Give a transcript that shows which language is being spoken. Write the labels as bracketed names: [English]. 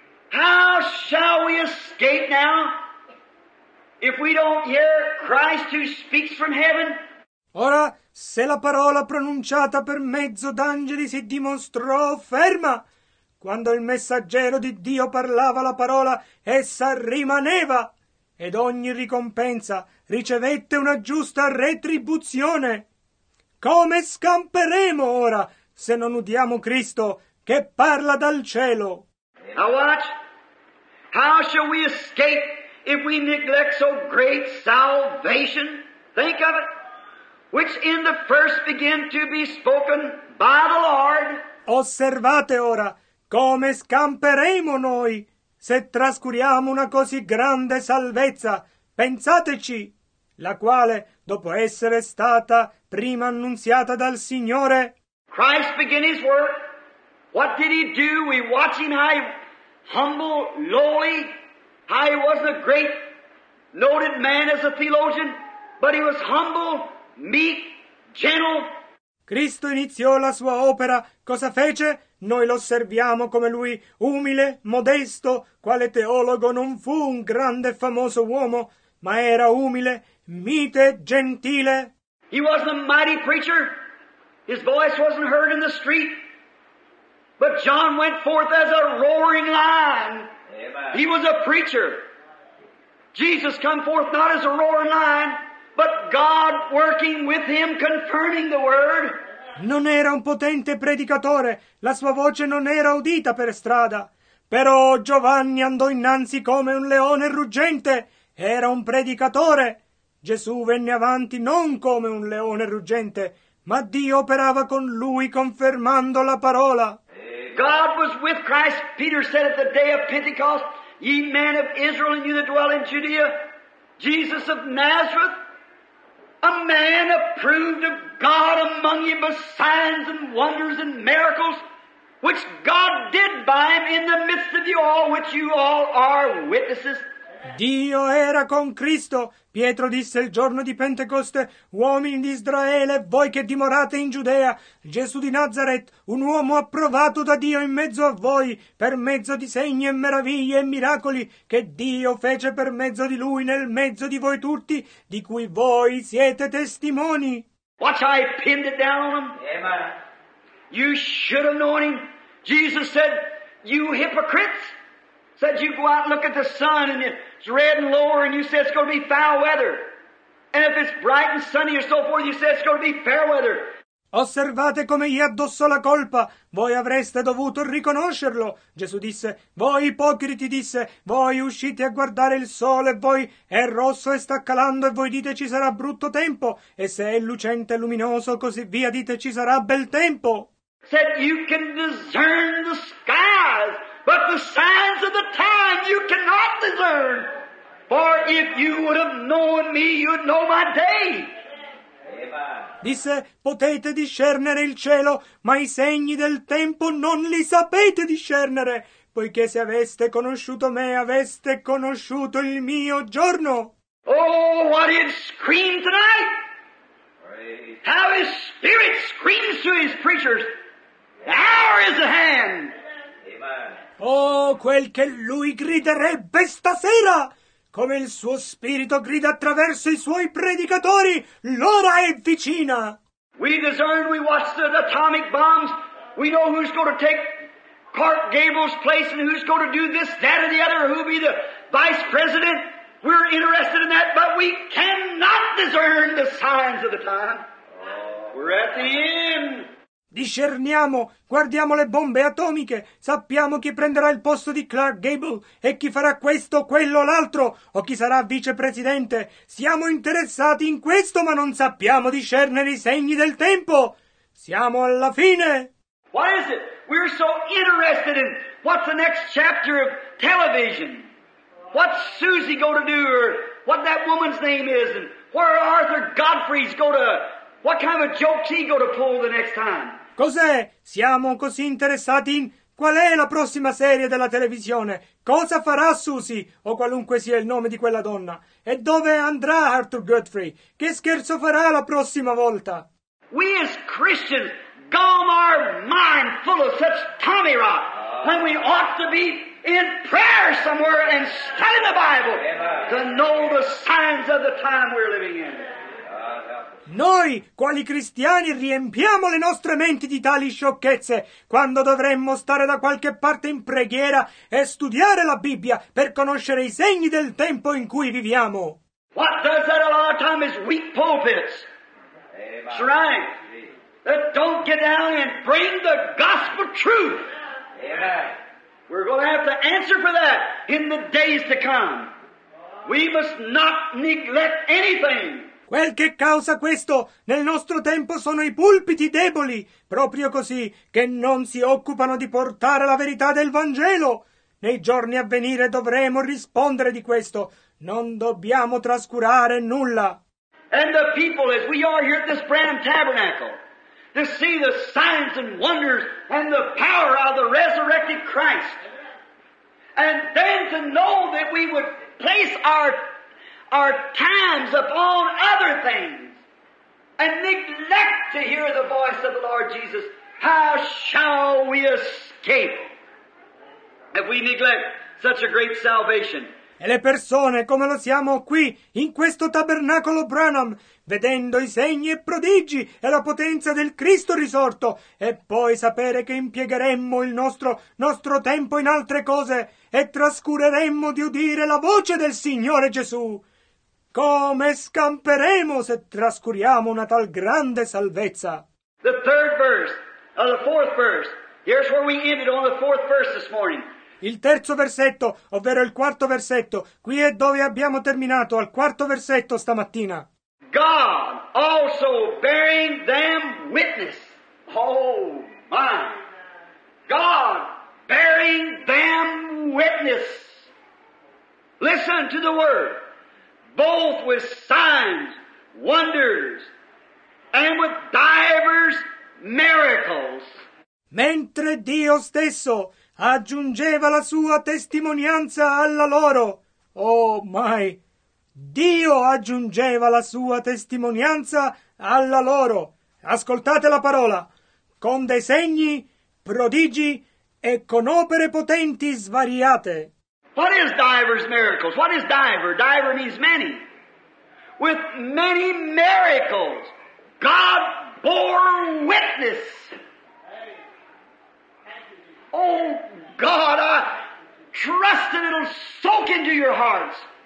[English] How shall we escape now if we don't hear Christ who speaks from heaven? [Italian] Ora, se la parola pronunciata per mezzo d'angeli si dimostrò ferma, quando il messaggero di Dio parlava la parola, essa rimaneva, ed ogni ricompensa ricevette una giusta retribuzione. Come scamperemo ora se non udiamo Cristo che parla dal cielo? [English] Now watch. How shall we escape if we neglect so great salvation? Think of it. Which in the first began to be spoken by the Lord. [Italian] Osservate ora come scamperemo noi se trascuriamo una così grande salvezza. Pensateci, la quale, dopo essere stata prima annunziata dal Signore, [English] Christ began his work. What did he do? We watch him how he humble, lowly. How he was a great, noted man as a theologian, but he was humble, meek, gentle. [Italian] Cristo iniziò la sua opera. Cosa fece? Noi lo osserviamo come lui, umile, modesto, quale teologo non fu un grande e famoso uomo, ma era umile, mite, gentile. [English] He wasn't a mighty preacher. His voice wasn't heard in the street. But John went forth as a roaring lion. Amen. He was a preacher. Jesus come forth not as a roaring lion, but God working with him, confirming the word. [Italian] Non era un potente predicatore, la sua voce non era udita per strada. Però Giovanni andò innanzi come un leone ruggente. Era un predicatore. Gesù venne avanti non come un leone ruggente, ma Dio operava con lui confermando la parola. [English] God was with Christ. Peter said at the day of Pentecost, ye men of Israel and you that dwell in Judea, Jesus of Nazareth, a man approved of God among you by signs and wonders and miracles, which God did by him in the midst of you all, which you all are witnesses. [Italian] Dio era con Cristo. Pietro disse il giorno di Pentecoste, uomini di Israele, voi che dimorate in Giudea, Gesù di Nazaret, un uomo approvato da Dio in mezzo a voi, per mezzo di segni e meraviglie e miracoli, che Dio fece per mezzo di lui nel mezzo di voi tutti, di cui voi siete testimoni. [English] Watch, I pinned it down on him. Amen. You should have known him. Jesus said, you hypocrites. Said you go out and look at the sun and it's red and lower and you say it's going to be foul weather. And if it's bright and sunny or so forth, you say it's going to be fair weather. [Italian] Osservate come gli addosso la colpa. Voi avreste dovuto riconoscerlo. Gesù disse, voi ipocriti, disse, voi uscite a guardare il sole e voi è rosso e sta calando e voi dite ci sarà brutto tempo. E se è lucente e luminoso così via dite ci sarà bel tempo. [English] Said you can discern the skies. But the signs of the time you cannot discern. For if you would have known me, you would know my day. [Italian] Disse, potete discernere il cielo, ma i segni del tempo non li sapete discernere, poiché se aveste conosciuto me, aveste conosciuto il mio giorno. [English] Oh, what he'd scream tonight! How his spirit screams to his preachers! The hour is at hand! [Italian] Oh, quel che lui griderebbe stasera! Come il suo spirito grida attraverso i suoi predicatori, l'ora è vicina! [English] We discern, we watch the atomic bombs, we know who's going to take Clark Gable's place and who's going to do this, that, or the other, who'll be the vice president. We're interested in that, but we cannot discern the signs of the time. We're at the end! [Italian] Discerniamo, guardiamo le bombe atomiche, sappiamo chi prenderà il posto di Clark Gable e chi farà questo, quello o l'altro, o chi sarà vicepresidente. Siamo interessati in questo, ma non sappiamo discernere i segni del tempo. Siamo alla fine. [English] What is it? We're so interested in what's the next chapter of television. What's Susie going to do, or what that woman's name is, and where Arthur Godfrey's going to... What kind of a joke is he going to pull the next time? [Italian] Cos'è? Siamo così interessati in qual è la prossima serie della televisione? Cosa farà Susie o qualunque sia il nome di quella donna? E dove andrà Arthur Godfrey? Che scherzo farà la prossima volta? [English] We as Christians gum our mind full of such tommy rot when we ought to be in prayer somewhere and study the Bible to know the signs of the time we're living in. [Italian] Noi, quali cristiani, riempiamo le nostre menti di tali sciocchezze quando dovremmo stare da qualche parte in preghiera e studiare la Bibbia per conoscere i segni del tempo in cui viviamo. [English] What does that a lot of time is weak pulpits? Amen. That's right. that don't get down and bring the gospel truth. Amen. We're going to have to answer for that in the days to come. We must not neglect anything. [Italian] Quel che causa questo nel nostro tempo sono i pulpiti deboli, proprio così, che non si occupano di portare la verità del Vangelo. Nei giorni a venire dovremo rispondere di questo. Non dobbiamo trascurare nulla. [English] And the people, as we are here at this brand tabernacle, to see the signs and wonders and the power of the resurrected Christ. And then to know that we would place our times upon other things and neglect to hear the voice of the Lord Jesus. How shall we escape if we neglect such a great salvation? [Italian] E le persone, come lo siamo qui, in questo tabernacolo Branham, vedendo i segni e prodigi e la potenza del Cristo risorto, e poi sapere che impiegheremmo il nostro tempo in altre cose e trascureremmo di udire la voce del Signore Gesù. Come scamperemo se trascuriamo una tal grande salvezza? [English] The third verse, the fourth verse. Here's where we ended on the fourth verse this morning. [Italian] Il terzo versetto, ovvero il quarto versetto, qui è dove abbiamo terminato, al quarto versetto stamattina. [English] God also bearing them witness. Oh my! God bearing them witness. Listen to the word. Both with signs, wonders, and with divers miracles. [Italian] Mentre Dio stesso aggiungeva la sua testimonianza alla loro. Oh, mai! Dio aggiungeva la sua testimonianza alla loro. Ascoltate la parola. Con dei segni, prodigi e con opere potenti svariate. [English] What is divers miracles? What is diver? Diver means many. With many miracles, God bore witness. Oh, God, I trust that it'll soak into your hearts.